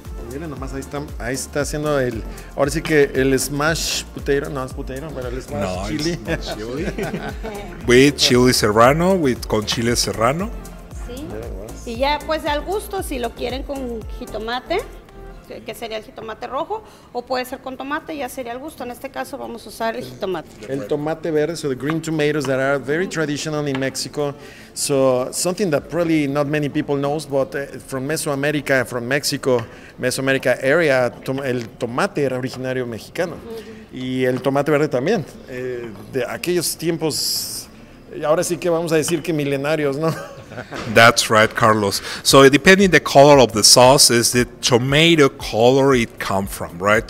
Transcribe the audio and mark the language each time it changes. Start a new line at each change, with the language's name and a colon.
Spanish: Miren nomás, ahí está haciendo el, ahora sí que el smash potato, no es potato, pero el smash chili.
English: With chili serrano,
Spanish: con chile serrano. Sí, y ya pues al gusto, si lo quieren con jitomate, que sería el jitomate rojo, o puede ser con tomate, ya sería al gusto. En este caso vamos a usar el jitomate. El tomate verde,
English: so the green tomatoes that are very traditional in Mexico. So something that probably not many people knows, but from Mesoamerica, from Mexico, Mesoamerica area,
Spanish: el tomate era originario mexicano. Y el tomate verde también. De aquellos tiempos, ahora sí que vamos a decir que milenarios, ¿no?
English: That's right, Carlos. So depending the color of the sauce is the tomato color it come from, right?